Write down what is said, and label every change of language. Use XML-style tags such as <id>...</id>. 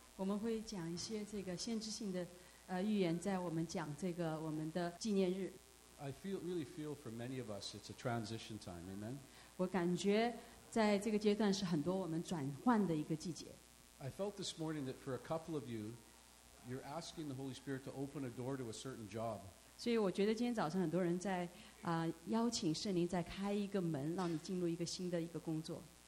<zh>我们会讲一些这个限制性的预言，在我们讲这个我们的纪念日。</zh> <en>I feel really feel for many of us it's a transition time, amen.</en> <zh>我感觉在这个阶段是很多我们转换的一个季节。</zh> <en>I felt this morning that for a couple of you, you're asking the Holy Spirit to open a door to a certain job.</en> <zh>所以我觉得今天早上很多人在邀请圣灵再开一个门，让你进入一个新的一个工作。</zh>